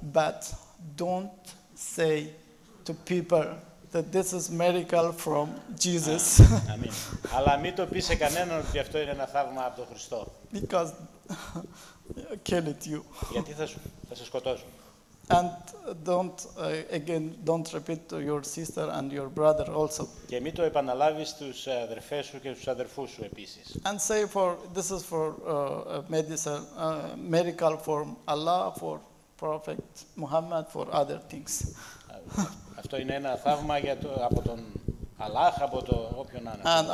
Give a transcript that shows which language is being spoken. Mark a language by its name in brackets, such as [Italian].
[English] But don't say to people that this is a miracle from Jesus. [Greek] Αμήν. Αλλά μην το πεις σε κανέναν ότι αυτό είναι ένα θαύμα από τον Χριστό. [English] Because kill it you. [Greek] Γιατί θα σε σκοτώσουν. [English] And don't again don't repeat to your sister and your brother also. [Greek] Και μην το επαναλάβεις στους αδερφές σου και στους αδερφούς σου επίσης. [English] And say for this is for medicine, miracle for Allah, for Prophet Muhammad, for other things. [Greek] Αυτό είναι ένα θαύμα για το από τον Αλλάχ, από το όποιον άλλον.